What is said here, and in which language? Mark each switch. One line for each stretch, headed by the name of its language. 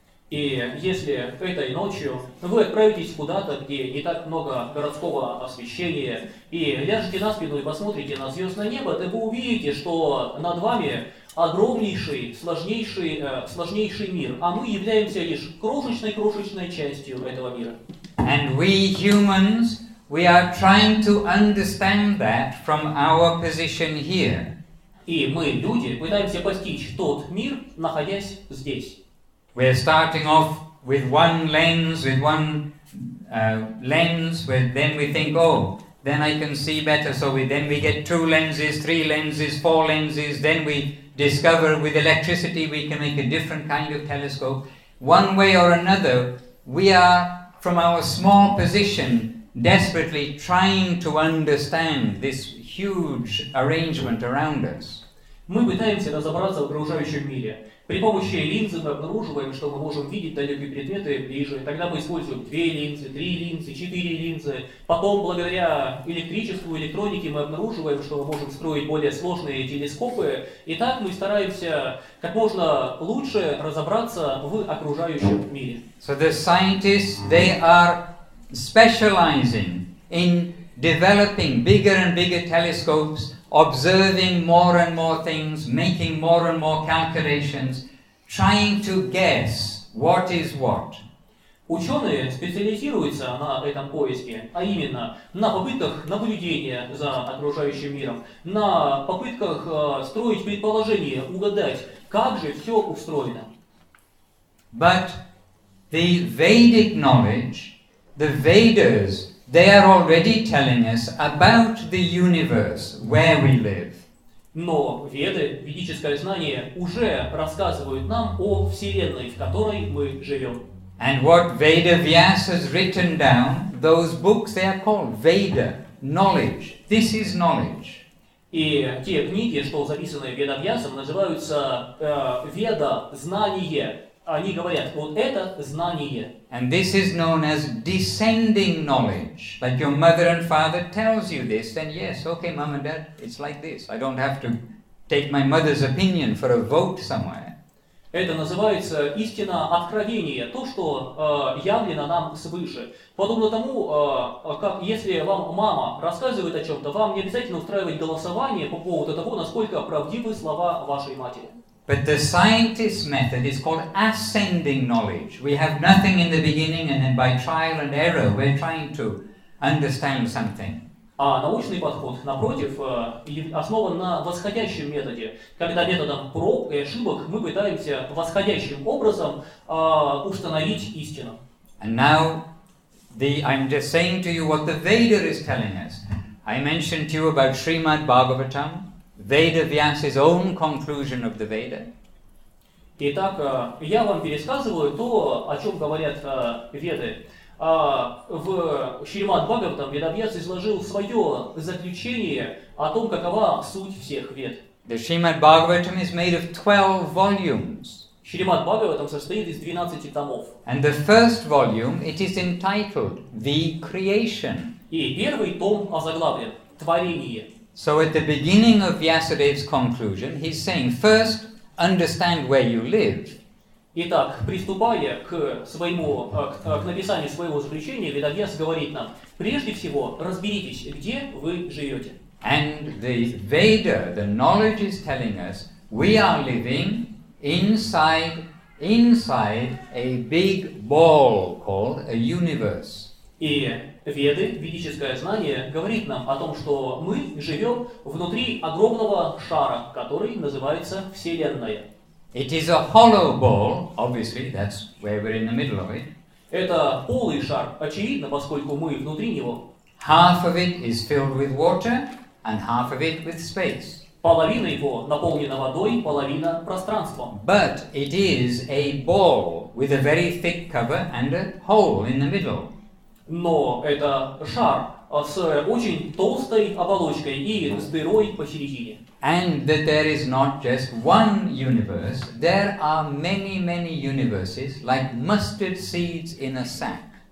Russian: И если этой ночью вы отправитесь куда-то, где не так много городского освещения, и ляжете на спину и посмотрите на звездное небо, то вы увидите, что над вами огромнейший, сложнейший мир, а мы являемся лишь крошечной частью этого мира.
English: And we humans, we are trying to understand that from our position here.
Russian: И мы, люди, пытаемся постичь тот мир, находясь здесь.
English: We are starting off with one lens, where then we think, oh, then I can see better. So we get two lenses, three lenses, four lenses. Then we discover with electricity we can make a different kind of telescope. One way or another, we are, from our small position, desperately trying to understand this huge arrangement around us.
Russian: Мы пытаемся разобраться в окружающем мире. При помощи линзы мы обнаруживаем, что мы можем видеть далекие предметы ближе. Тогда мы используем две линзы, три линзы, четыре линзы. Потом, благодаря электричеству, электронике, мы обнаруживаем, что мы можем строить более сложные телескопы. И так мы стараемся как можно лучше разобраться в окружающем мире.
English: So the scientists, they are specializing in developing bigger and bigger telescopes, observing more and more things, making more and more calculations, trying to guess what is what.
Russian: Ученые специализируются на этом поиске, а именно на попытках наблюдения за окружающим миром, на попытках строить предположения, угадать, как же все устроено.
English: But the Vedic knowledge, the Vedas, they are already telling us about the universe where we live.
Russian: Но Веды, ведическое знание, уже рассказывают нам о Вселенной, в которой мы живем.
English: And what Veda Vyas has written down, those books, they are called Veda, knowledge. This is knowledge.
Russian: И те книги, что записаны Веда Вьясом, называются Веда, знание. Они говорят, вот это знание.
English: And this is known as descending knowledge. Like your mother and father tells you this, then yes, okay, mom and dad, it's like this. I don't have to take my mother's opinion for a vote somewhere.
Russian: Это называется истина откровения, то, что явлено нам свыше. Подобно тому, как если вам мама рассказывает о чем-то, вам не обязательно устраивать голосование по поводу того, насколько правдивы слова вашей матери.
English: But the scientist's method is called ascending knowledge. We have nothing in the beginning, and then by trial and error we're trying to understand something.
Russian: А научный подход, напротив, основан на восходящем методе, когда методом проб и ошибок мы пытаемся восходящим образом установить истину.
English: And now, I'm just saying to you what the Veda is telling us. I mentioned to you about Srimad Bhagavatam, Veda Vyasa's own conclusion of the Veda.
Russian: Итак, я вам пересказываю то, о чем говорят Веды. В Шримад Бхагаватам Ведавьяс изложил свое заключение о том, какова суть всех вед.
English: The Shrimad Bhagavatam is made of 12 volumes.
Russian: Шримад Бхагаватам состоит из 12 томов.
English: And the first volume, it is entitled The Creation.
Russian: И первый том озаглавлен Творение.
English: So at the beginning of Vyasadeva's conclusion, he's saying, first, understand where you live.
Russian: Итак, приступая к написанию своего заключения, Ведавьяс говорит нам, прежде всего, разберитесь, где вы живете.
English: And the Veda, the knowledge is telling us, we are living inside a big ball called a universe.
Russian: И Веды, ведическое знание, говорит нам о том, что мы живем внутри огромного шара, который называется Вселенная.
English: It is a hollow ball, obviously, that's where we're in the middle of it.
Russian: Это полый шар, очевидно, поскольку мы внутри него.
English: Half of it is filled with water, and half of it with space.
Russian: Половина его наполнена водой, половина пространством.
English: But it is a ball with a very thick cover and a hole in the middle.
Russian: Но это шар с очень толстой оболочкой и с дырой посередине.
English: And that there is not just one universe, there are many, many universes, like mustard seeds in a sack.